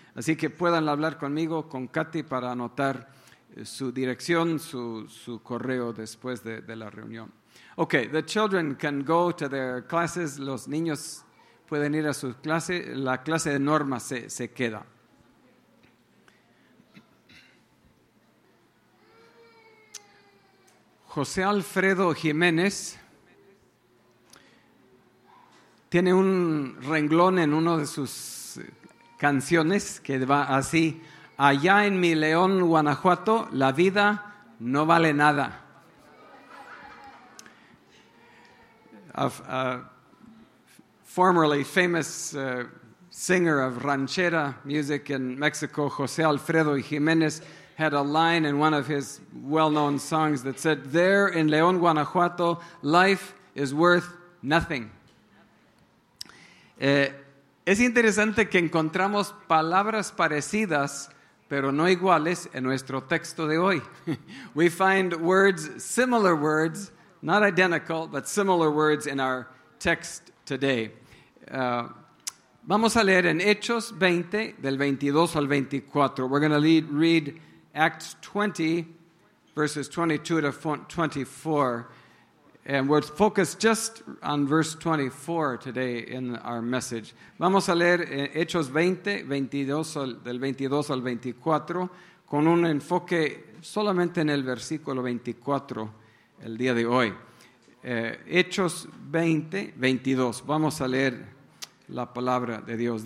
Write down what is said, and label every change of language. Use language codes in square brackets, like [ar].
[es] Así que puedan hablar conmigo, con Kathy, para anotar su dirección, su correo después de la reunión. [en] Okay, the children can go to their classes. [es] Los niños pueden ir a sus clases. La clase de Norma se queda. José Alfredo Jiménez tiene un renglón en una de sus canciones que va así: allá en mi León, Guanajuato, la vida no vale nada. [en] A formerly famous singer of ranchera music in Mexico, José Alfredo Jiménez had a line in one of his well-known songs that said, there in León, Guanajuato, life is worth nothing. [es] Es interesante que encontramos palabras parecidas, pero no iguales, en nuestro texto de hoy. [en] We find words, similar words, not identical, but similar words in our text today. [es] Vamos a leer en Hechos 20, del 22 al 24. [en] We're going to read Acts 20, verses 22 to 24. And we're focused just on verse 24 today in our message. [es] Vamos a leer Hechos 20, 22, del 22 al 24, con un enfoque solamente en el versículo 24 el día de hoy. Hechos 20, 22. Vamos a leer la palabra de Dios.